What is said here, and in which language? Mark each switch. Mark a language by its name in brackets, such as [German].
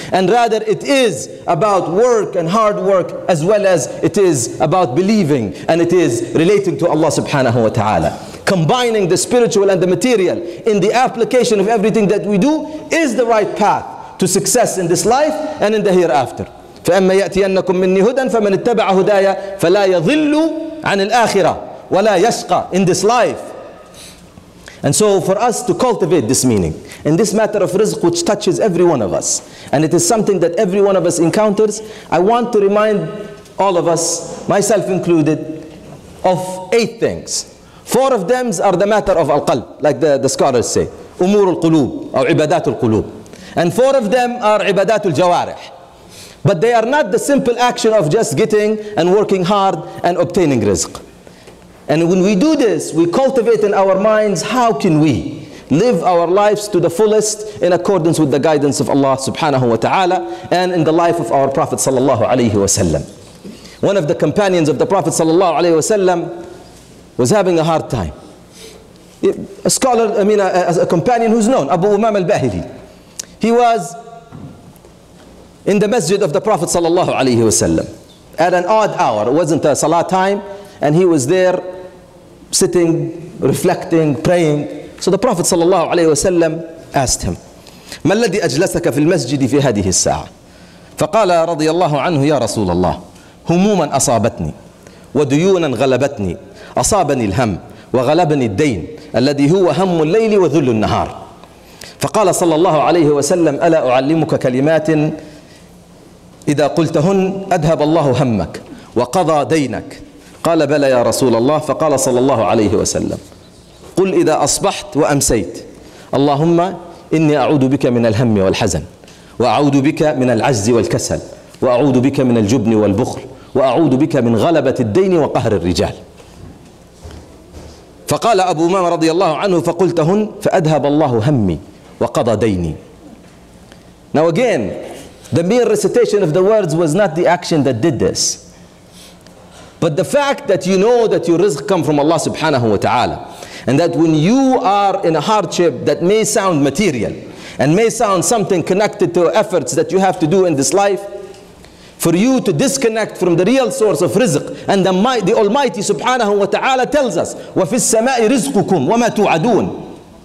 [English] And rather it is about work and hard work, as well as it is about believing and it is relating to Allah subhanahu wa ta'ala. Combining the spiritual and the material in the application of everything that we do is the right path to success in this life and in the hereafter. [Arabic] فَأَمَّا يَأْتِيَنَّكُمْ مِنِّي هُدًى فَمَنِ اتَّبَعَ هُدَايَ فَلَا يَظِلُّ عَنِ الْآخِرَةِ وَلَا يَشْقَى [English] in this life. And so for us to cultivate this meaning in this matter of rizq, which touches every one of us, and it is something that every one of us encounters, I want to remind all of us, myself included, of 8 things. 4 of them are the matter of al-qalb, like the scholars say, [Arabic] أُمُورُ الْقُلُوبِ أو عِبَادَاتُ الْقُلُوبِ. [English] And 4 of them are [Arabic] عِبَادَاتُ الْجَوَارِحِ. [English] But they are not the simple action of just getting and working hard and obtaining rizq. And when we do this, we cultivate in our minds, how can we live our lives to the fullest in accordance with the guidance of Allah subhanahu wa ta'ala and in the life of our Prophet sallallahu alayhi wa sallam. One of the companions of the Prophet sallallahu alayhi wa sallam was having a hard time. A companion who's known, Abu Umam al-Bahili. He was in the masjid of the Prophet sallallahu alayhi wa sallam at an odd hour. It wasn't a salah time, and he was there sitting reflecting, praying. So the Prophet sallallahu alayhi wasallam asked him, [Arabic] ما الذي أجلسك في المسجد في هذه الساعة؟ فقال رضي الله عنه يا رسول الله هموما أصابتني وديونا غلبتني أصابني الهم وغلبني الدين الذي هو هم الليل وذل النهار. فقال صلى الله عليه وسلم ألا أعلمك كلمات إذا قلتهن أذهب الله همك وقضى دينك؟ قال بلى يا رسول الله. فقال صلى الله عليه وسلم قل إذا أصبحت وأمسيت اللهم إني أعوذ بك من الهم والحزن، وأعوذ بك من العجز والكسل، وأعوذ بك من الجبن والبخل، وأعوذ بك من غلبة الدين وقهر الرجال. فقال أبو أمامة رضي الله عنه فقلتهن فأذهب الله همي وقضى ديني. [English] Now again, the mere recitation of the words was not the action that did this. But the fact that you know that your rizq comes from Allah subhanahu wa ta'ala, and that when you are in a hardship that may sound material and may sound something connected to efforts that you have to do in this life, for you to disconnect from the real source of rizq, and the Almighty subhanahu wa ta'ala tells us, [Arabic] وَفِي السَّمَاءِ رِزْقُكُمْ وَمَا تُوعَدُونَ,